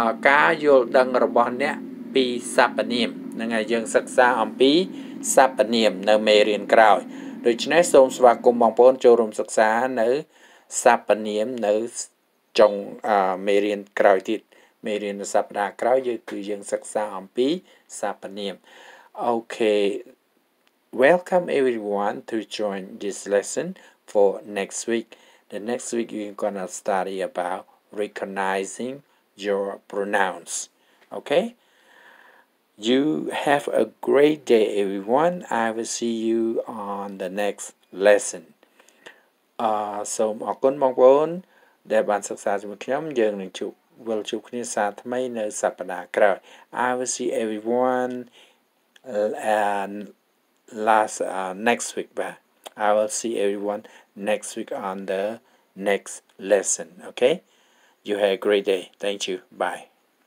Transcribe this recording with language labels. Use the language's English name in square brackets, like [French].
[Khmer] ការយល់ដឹងរបស់អ្នកពីសព្វនាមហ្នឹងហើយយើងសិក្សាអំពីសព្វនាមនៅមេរៀនក្រោយដូច្នេះសូមស្វាគមន៍បងប្អូនចូលរួមសិក្សានៅសព្វនាមនៅចុងមេរៀនក្រោយទៀតមេរៀននៅសប្តាហ៍ក្រោយយើងសិក្សាអំពីសព្វនាមអូខេ [English] Welcome everyone to join this lesson for next week. The next week you're going to study about recognizing your pronouns. Okay? You have a great day, everyone. I will see you on the next lesson. [Khmer] សូមអរគុណបងប្អូនដែលបានសិក្សាជាមួយខ្ញុំ យើងនឹងជួបគ្នាសាថ្មីនៅសប្តាហ៍ក្រោយ [English] I will see everyone andnext week back. I will see everyone next week on the next lesson. Okay? You have a great day. Thank you. Bye.